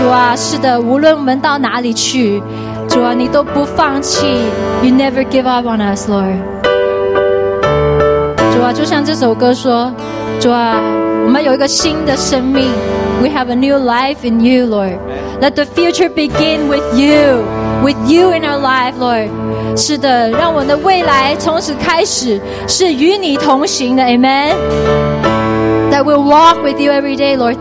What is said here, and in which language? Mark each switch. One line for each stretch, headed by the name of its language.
Chinese: 主啊，是的，无论我们到哪里去，主啊，你都不放弃。
English: You never give up on us, Lord.
Chinese: 主啊，就像这首歌说，主啊，我们有一个新的生命。
English: We have a new life in you, Lord. Let the future begin with you, with you in our life, Lord.
Chinese: 是的，让我们的未来从此开始是与你同行的。
English: Amen. That we'll walk with you every day, Lord.